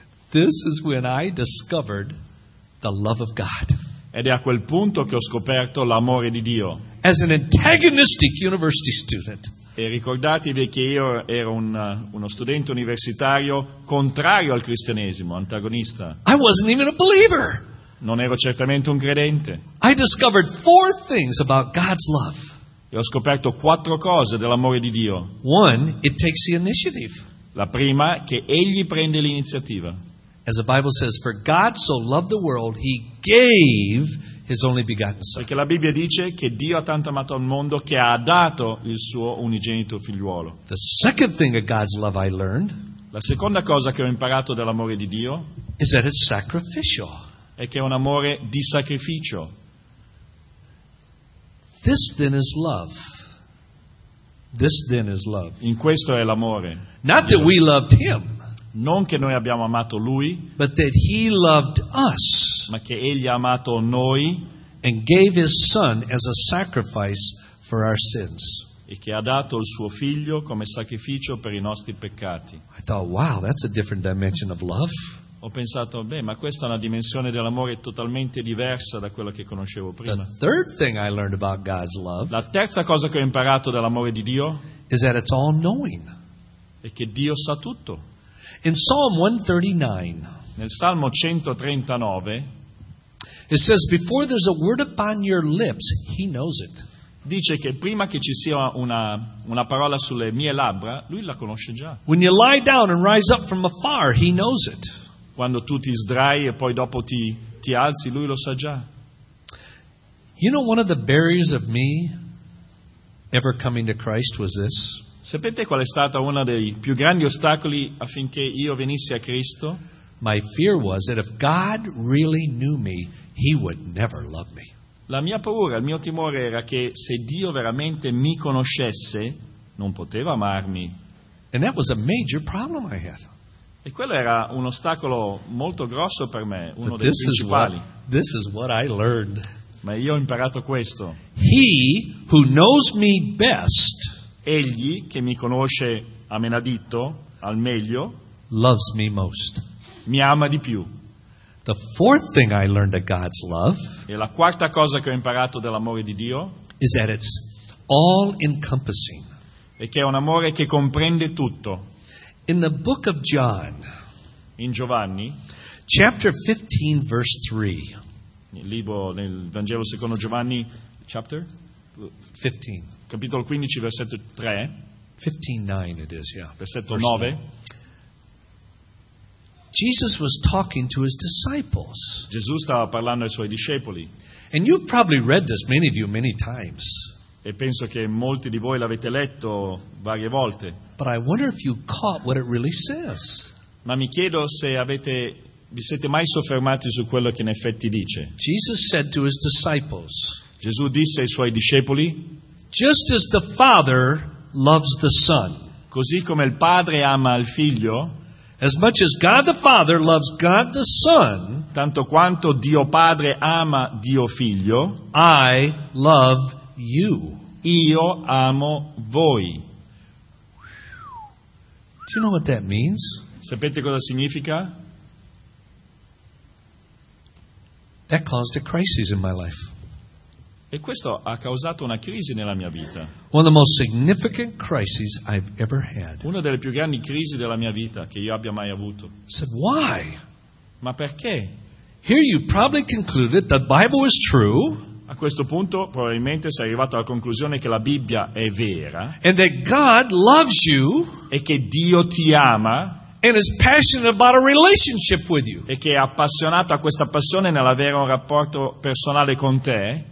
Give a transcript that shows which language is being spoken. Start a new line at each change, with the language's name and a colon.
English: This is when I discovered the love of God.
Italian: Ed è a quel punto che ho scoperto l'amore di Dio.
English: As an antagonistic university student.
Italian: E ricordatevi che io ero uno studente universitario contrario al cristianesimo, antagonista.
English: I wasn't even a believer.
Italian: Non ero certamente un credente.
English: I discovered four things about God's love.
Italian: E ho scoperto quattro cose dell'amore di Dio.
English: One, it takes the initiative.
Italian: La prima, che egli prende l'iniziativa.
English: As the Bible says, for God so loved the world, he gave his only begotten son.
Italian: Perché la Bibbia dice che Dio ha tanto amato il mondo che ha dato il suo unigenito figliuolo.
English: The second thing of God's love I learned,
Italian: la seconda cosa che ho imparato dell'amore di Dio,
English: is that it's sacrificial.
Italian: È che è un amore di sacrificio.
English: This then is love. This then is love.
Italian: In questo è l'amore.
English: Not that we loved him.
Italian: Non che noi abbiamo amato lui,
English: but that he loved us,
Italian: ma che egli ha amato noi,
English: and gave his son as a sacrifice for our sins,
Italian: e che ha dato il suo figlio come sacrificio per i nostri peccati.
English: I thought, wow, that's a different dimension of love.
Italian: Ho pensato, beh, ma questa è una dimensione dell'amore totalmente diversa da quella che conoscevo prima.
English: The third thing I learned about God's love,
Italian: la terza cosa che ho imparato dell'amore di Dio,
English: is that it's all knowing,
Italian: è che Dio sa tutto.
English: In Psalm 139,
Italian: nel Salmo 139,
English: it says, "Before there's a word upon your lips, He knows it."
Italian: Dice che prima che ci sia una parola sulle mie labbra, lui la conosce già.
English: When you lie down and rise up from afar, He knows it.
Italian: Quando tu ti sdrai e poi dopo ti alzi, lui lo sa già.
English: You know, one of the barriers of me ever coming to Christ was this.
Italian: Sapete qual è stata uno dei più grandi ostacoli affinché io venissi a Cristo?
English: My fear was that if God really knew me, he would never love me.
Italian: La mia paura, il mio timore era che se Dio veramente mi conoscesse, non poteva amarmi.
English: And that was a major problem I had.
Italian: E quello era un ostacolo molto grosso per me, uno
English: But
Italian: dei principali.
English: This is what I learned.
Italian: Ma io ho imparato questo.
English: He who knows me best,
Italian: egli che mi conosce a menadito al meglio,
English: loves me most,
Italian: mi ama di più.
English: The fourth thing I learned of God's love,
Italian: e la quarta cosa che ho imparato dell'amore di Dio,
English: is that it's all encompassing,
Italian: e che è un amore che comprende tutto.
English: In the book of John,
Italian: in Giovanni,
English: chapter 15, verse 3,
Italian: nel libro, nel Vangelo secondo Giovanni,
English: chapter 15,
Italian: capitolo 15, versetto 3,
English: 15:9 it is, yeah.
Italian: Versetto 9.
English: Jesus was talking to his disciples.
Italian: Gesù stava parlando ai suoi discepoli.
English: And you've probably read this, many of you, many times.
Italian: E penso che molti di voi l'avete letto varie volte.
English: But I wonder if you caught what it really says.
Italian: Ma mi chiedo se avete vi siete mai soffermati su quello che in effetti dice.
English: Jesus said to his disciples.
Italian: Gesù disse ai suoi discepoli.
English: Just as the Father loves the Son.
Italian: Così come il Padre ama il Figlio.
English: As much as God the Father loves God the Son,
Italian: tanto quanto Dio Padre ama Dio Figlio,
English: I love you.
Italian: Io amo voi.
English: Do you know what that means?
Italian: Sapete cosa significa?
English: That caused a crisis in my life.
Italian: E questo ha causato una crisi nella mia vita.
English: One of the most significant crises I've ever had.
Italian: Una delle più grandi crisi della mia vita che io abbia mai avuto.
English: Said why?
Italian: Ma perché?
English: Here you probably concluded that Bible is true.
Italian: A questo punto probabilmente sei arrivato alla conclusione che la Bibbia è vera.
English: And that God loves you.
Italian: E che Dio ti ama.
English: And is passionate about a relationship with you.
Italian: E che è appassionato a questa passione nell'avere un rapporto personale con te.